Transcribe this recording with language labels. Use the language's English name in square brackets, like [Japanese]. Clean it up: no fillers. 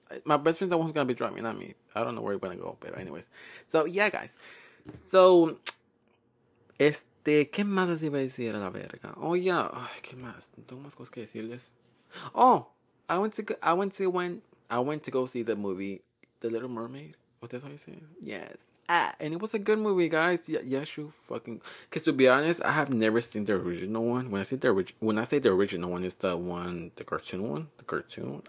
[English] My best friend's the one who's gonna be driving, not me. I don't know where we're gonna go, but anyways. So, yeah, guys. [Spanish] So, ¿qué más les iba a decir a la verga? [English] Oh, yeah. [Spanish] Ay, ¿qué más? Tengo más cosas que decirles. [English] Oh, I went to go see the movie The Little Mermaid. What did I say? Yes. And it was a good movie, guys. Yes, you fucking... Because to be honest, I have never seen the original one. When I say the original one, it's the one, the cartoon one. The cartoon one.